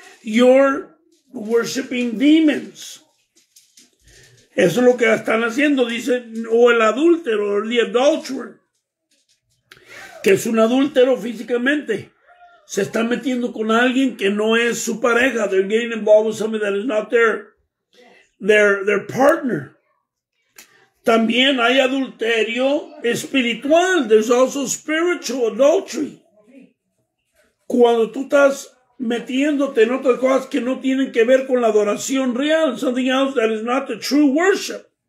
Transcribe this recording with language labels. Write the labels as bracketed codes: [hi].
[en] You're worshiping demons. [es] Eso es lo que están haciendo, dice, o el adúltero, [en] or the adulterer, [es] que es un adúltero físicamente. Se está metiendo con alguien que no es su pareja. [en] They're getting involved with somebody that is not their partner. [es] También hay adulterio espiritual. [en] There's also spiritual adultery. [es] Cuando tú estás metiéndote en otras cosas que no tienen que ver con la adoración real. [en] Something else that is not the true worship.